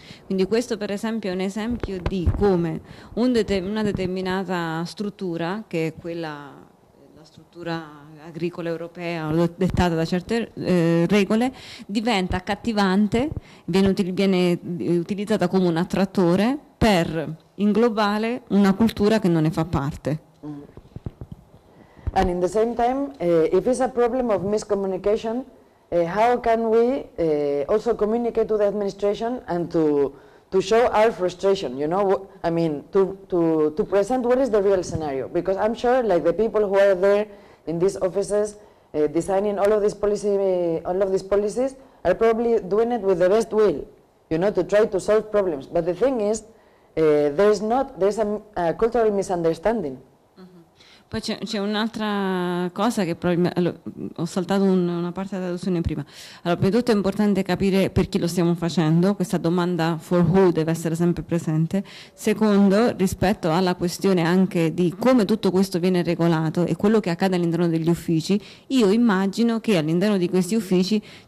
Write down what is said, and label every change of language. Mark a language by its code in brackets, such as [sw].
[it] Quindi questo per esempio è un esempio di come una determinata struttura, che è quella, la struttura agricola europea dettata da certe regole, diventa accattivante, viene utilizzata come un attrattore per inglobare una cultura che non ne fa parte. [en] And in the same time, if it's a problem of miscommunication, how can we also communicate to the administration and to show our frustration, you know? To present what is the real scenario? Because I'm sure, like, the people who are there in these offices designing all of these policies are probably doing it with the best will, you know, to try to solve problems. But the thing is, there's a cultural misunderstanding. [it] Poi c'è un'altra cosa che ho saltato una parte della traduzione prima. Allora, prima di tutto è importante capire per chi lo stiamo facendo, questa domanda [en] for who [it] deve essere sempre presente. Secondo, rispetto alla questione anche di come tutto questo viene regolato e quello che accade all'interno degli uffici, io immagino che all'interno di questi uffici